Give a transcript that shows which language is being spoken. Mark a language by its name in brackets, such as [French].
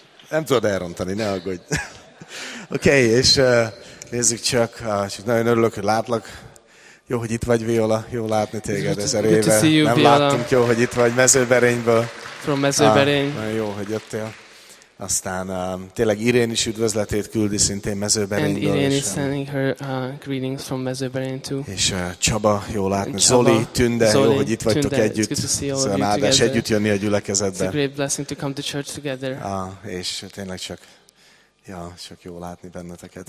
[Hungarian] Nem tudod elrontani, ne aggódj. Okay, és nézzük csak, csak nagyon örülök, hogy látlak. Jó, hogy itt vagy, Viola, jó látni téged ezer éve. [English] You, [Hungarian] nem láttunk, jó, hogy itt vagy Mezőberényből. [English] From Mezőberény. [Hungarian] Nagyon jó, hogy jöttél. Aztán tényleg Irén is üdvözletét küldi szintén Mezőberényből. [English] And Irene is sending her greetings from Mezőberény too. [Hungarian] És Csaba, jó látni. Csaba, Zoli, Tünde, Zoli, jó, hogy itt vagytok Tünde. Együtt. Szóval áldás együtt jönni a gyülekezetbe. [English] It's a great blessing to come to church together. [Hungarian] És tényleg csak, ja, csak jó látni benneteket.